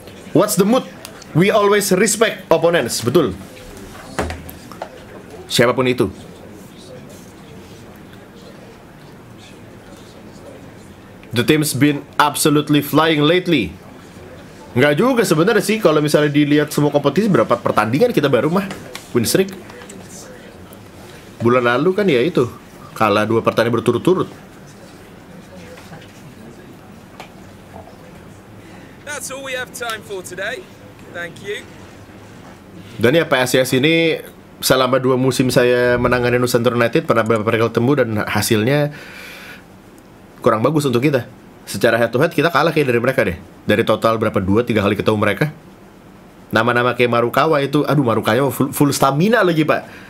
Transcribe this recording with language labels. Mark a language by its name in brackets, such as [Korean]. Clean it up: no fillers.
[English] What's the mood? We always respect opponents, [Indonesian] betul. Siapapun itu. [English] The team's been absolutely flying lately. [Indonesian] Nggak juga sebenarnya sih, kalau misalnya dilihat semua kompetisi, berapa pertandingan kita baru mah win streak. Bulan lalu kan ya itu, kalah 2 pertandingan berturut-turut. [English] That's all we have time for today. Thank you. [Indonesian] Dan ya PSIS ini selama 2 musim saya menangani Nusantara United, pernah beberapa kali ketemu dan hasilnya kurang bagus untuk kita. Secara head to head kita kalah kayak dari mereka deh. Dari total berapa 2-3 kali ketemu mereka. Nama-nama kayak Marukawa itu, aduh Marukawa full stamina lagi, Pak.